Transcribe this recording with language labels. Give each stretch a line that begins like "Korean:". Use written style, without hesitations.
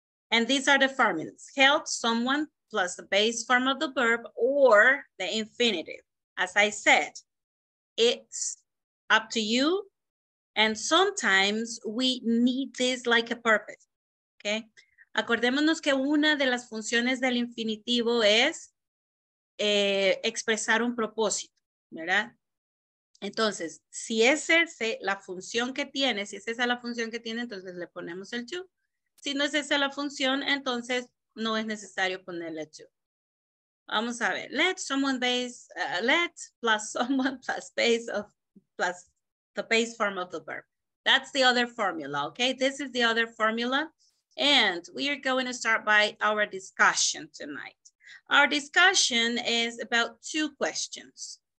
English: And these are the formulas. Help someone plus the base form of the verb or the infinitive. As I said, it's up to you. And sometimes we need this like a purpose, okay?
Spanish: Acordémonos que una de las funciones del infinitivo es expresar un propósito, ¿verdad? Entonces, si es esa la función que tiene, si es esa la función que tiene, entonces le ponemos el to. Si no es esa la función, entonces no es necesario ponerle to. Vamos a ver.
English: Let someone base, let plus someone plus base of, plus the base form of the verb. That's the other formula, okay? This is the other formula. And we are going to start by our discussion tonight. Our discussion is about two questions.